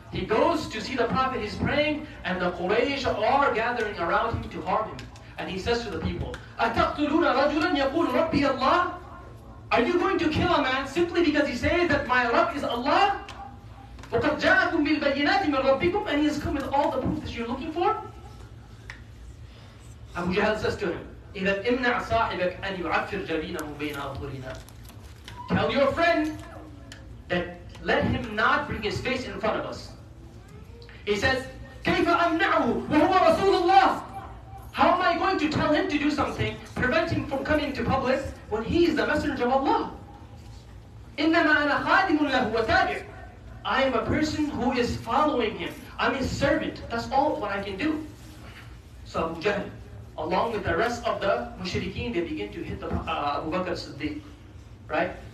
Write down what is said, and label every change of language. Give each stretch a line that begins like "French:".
English: He goes to see the Prophet, he's praying, and the Quraysh are gathering around him to harm him. And he says to the people,
Arabic: أَتَقْتُلُونَ رَجُلًا يَقُولُ رَبِّيَ اللَّهِ.
English: Are you going to kill a man simply because he says that my Rabb is Allah?
Arabic: وَقَدْ جَاءَكُمْ بِالْبَيِّنَاتِ مِنْ رَبِّكُمْ.
English: And he has come with all the proof that you're looking for. Abu Jahl says to him,
Arabic: إِذَا اِمْنَعْ صَاحِبَكْ أَنْ يُعَفِّرْ جَبِينَهُ بَيْنَ أَطْهُرِنَا.
English: Tell your friend that let him not bring his face in front of us. He says,
Arabic: كَيْفَ أَمْنَعُهُ وَهُوَ رَسُولُ اللَّهِ.
English: How am I going to tell him to do something, prevent him from coming to public, when he is the messenger of Allah?
Arabic: إِنَّمَا أَنَا خَادِمٌ لَهُ وَتَابِعٌ.
English: I am a person who is following him. I'm his servant. That's all what I can do. So Abu Jahl, along with the rest of the mushrikeen, they begin to hit the Abu Bakr as-Siddiq. Right?